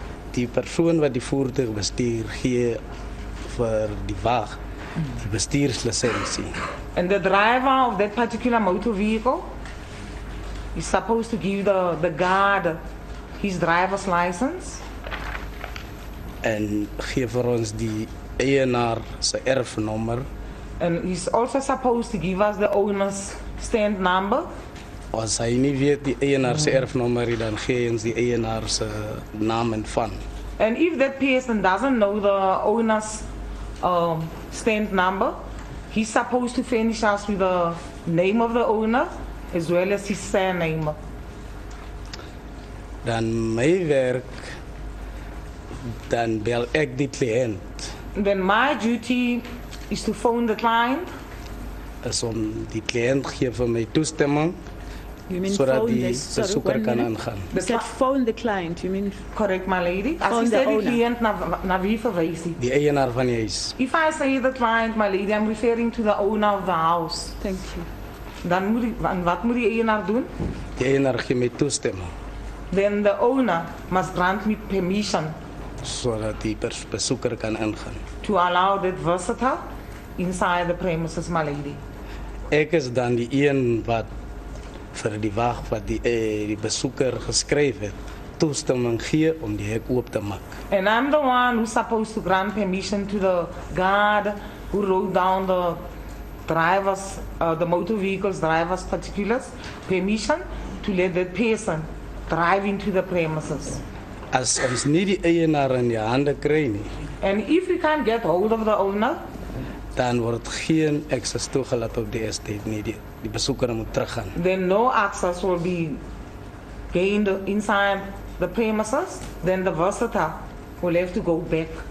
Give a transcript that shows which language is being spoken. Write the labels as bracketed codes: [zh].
[af] Die persoon wat die voertuig bestuur gee vir die wag, die bestuurslisensie. [en] And the driver of that particular motor vehicle is supposed to give the guard his driver's license. [af] En gee vir ons die eienaar se erfnommer. [en] And he's also supposed to give us the owner's stand number. [af] As hy nie weet die eienaar se erfnommer, dan gee hy ons die eienaar se naam en van. [en] And if that person doesn't know the owner's stand number, he's supposed to furnish us with the name of the owner as well as his surname. [af] Dan my werk, dan bel ek die kliënt. [en] Then my duty is to phone the client. As on the client here for my toestemming. You mean phone the client, you mean? Correct, my lady. As you said, the client, [af] na wie verwijs die? Die eienaar van die huis. [en] If I say the client, my lady, I'm referring to the owner of the house. Thank you. [af] Dan moet die, wat moet die eienaar doen? Die eienaar gee my toestemming. [en] Then the owner must grant me permission. [af] Zodat die bezoeker kan ingaan. [en] To allow that visitor inside the premises, my lady. [af] Ek is dan die een wat vir die wag wat die besoeker geskryf het, toestemming gee om die hek oop te maak. [en] And I'm the one who's supposed to grant permission to the guard who wrote down the driver's, the motor vehicle's driver's particulars, permission to let that person drive into the premises. [af] As ons nie die eienaar in die hande kry nie. [en] And if we can't get hold of the owner, [af] dan word geen access toegelaat op die estate nie, die besoeker moet teruggaan. [en] Then no access will be gained inside the premises, then the visitor will have to go back.